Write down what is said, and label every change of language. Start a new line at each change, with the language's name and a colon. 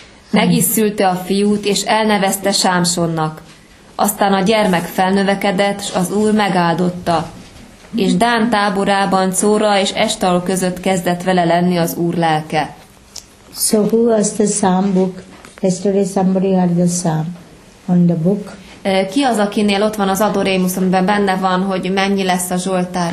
Hungarian: Meg is szülte a fiút, és elnevezte Sámsonnak. Aztán a gyermek felnövekedett, s az úr megáldotta. És Dán táborában Córa és Estaol között kezdett vele lenni az Úr lelke.
English: So who was the Psalm book? Yesterday somebody had the Psalm on the book.
Hungarian: Ki az, akinél ott van az Adorémus, amiben benne van, hogy mennyi lesz a Zsoltár?